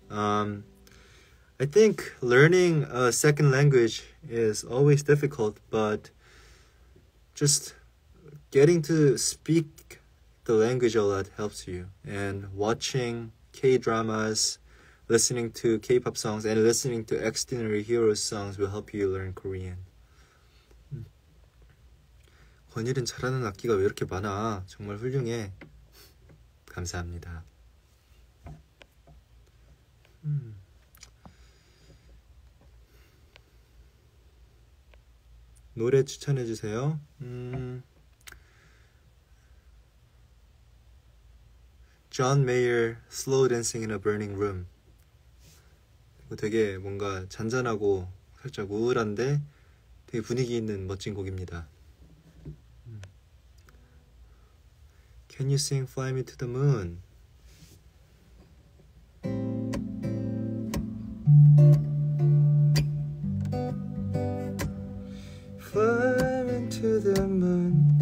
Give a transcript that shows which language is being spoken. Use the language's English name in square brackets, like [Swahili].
[English] I think learning a second language is always difficult, but just getting to speak the language a lot helps you. And watching K-dramas, listening to K-pop songs and listening to Xdinary Hero songs will help you learn Korean. [Korean] 권일은 잘하는 악기가 왜 이렇게 많아? 정말 훌륭해. 감사합니다. 노래 추천해 주세요. 존 메이어 Slow Dancing in a Burning Room. 되게 뭔가 잔잔하고 살짝 우울한데 되게 분위기 있는 멋진 곡입니다. [English] Can you sing Fly Me to the Moon? Fly me to the moon.